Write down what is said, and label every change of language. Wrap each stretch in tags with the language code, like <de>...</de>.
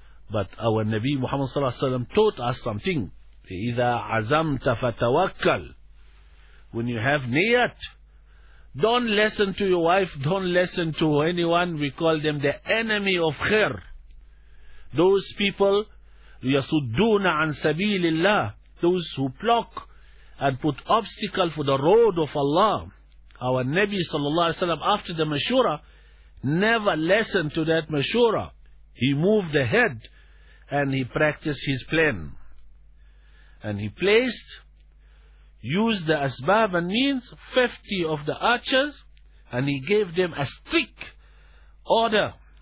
<en>But our Nabi Muhammad sallallahu alaihi wasallam taught us something. إِذَا عَزَمْتَ فَتَوَكَّلْ. When you have niyat, don't listen to your wife, don't listen to anyone. We call them the enemy of khair.</en> <ar>Those people, يَسُدُّونَ عَن سَبِيلِ اللَّهِ.</ar> <en>Those who block and put obstacle for the road of Allah. Our Nabi sallallahu alaihi wasallam, after the mashura, never listened to that mashura. He moved ahead and he practiced his plan. And he placed, used the asbab and means, 50 of the archers, and he gave them a strict order.</en>